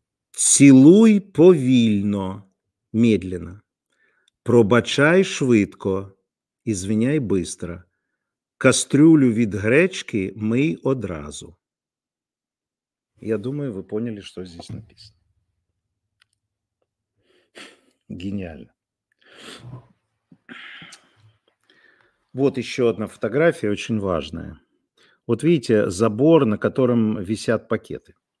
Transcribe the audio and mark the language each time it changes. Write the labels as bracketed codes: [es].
[uk] Цілуй повільно, [ru] медленно. [uk] Пробачай швидко, [ru] извиняй быстро. [uk] Кастрюлю від гречки мий одразу. [ru] Я думаю, вы поняли, что здесь написано. Гениально. Вот еще одна фотография, очень важная. Вот видите, забор, на котором висят пакеты.